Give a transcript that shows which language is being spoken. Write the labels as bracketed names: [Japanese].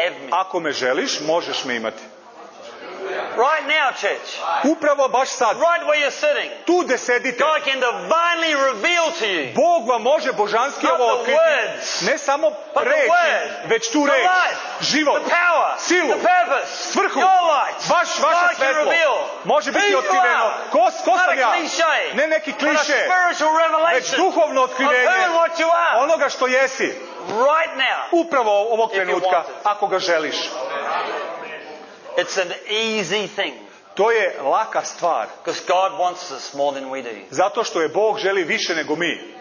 [Serbian] Ali ako me želiš, možeš me imati. [English] Right now, church. [Serbian] Upravo baš sad. [English] Right where you're sitting. [Serbian] Tu gde sedite. [English] God can divinely reveal to you. [Serbian] Bog vam može božanski ovo otkriti. Ne samo reč, već tu reč. Život. [English] The power. [Serbian] Silu. [English] The purpose. [Serbian] Svrhu. [English] Your light. [Serbian] Vaš, vaše svetlo. Može biti otkriveno. Ko, ko sam ja? Ne neki kliše. [English] But a spiritual revelation. [Serbian] Već duhovno otkrivenje. [English] Of who and what you are. [Serbian] Onoga što jesi. [English] Right now. [Serbian] Upravo ovog trenutka. Ako ga želiš. [English] It's an easy thing. [Serbian] To je laka stvar. [English] Because God wants us more than we do. [Serbian] Zato što je Bog želi više nego mi.